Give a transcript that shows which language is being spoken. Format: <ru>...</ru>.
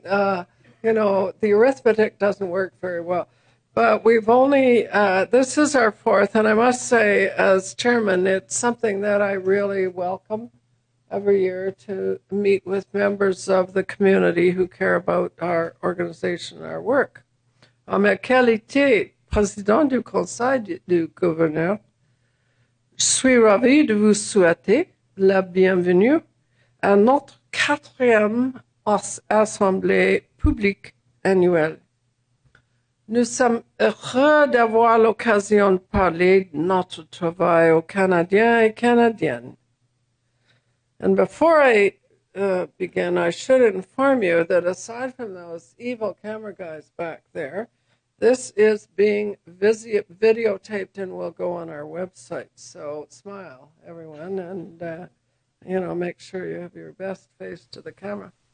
<en>The arithmetic doesn't work very well. But we've only, this is our fourth, and I must say, as chairman, it's something that I really welcome every year to meet with members of the community who care about our organization and our work.</en> <fr>En ma qualité président du Conseil du gouverneur, je suis ravi de vous souhaiter la bienvenue à notre quatrième assemblée publique annuelle. Nous sommes heureux d'avoir l'occasion de parler de notre travail aux Canadiens et Canadiennes.</fr> <en>And before I begin, I should inform you that aside from those evil camera guys back there, this is being videotaped and will go on our website. So smile, everyone, and make sure you have your best face to the camera.</en>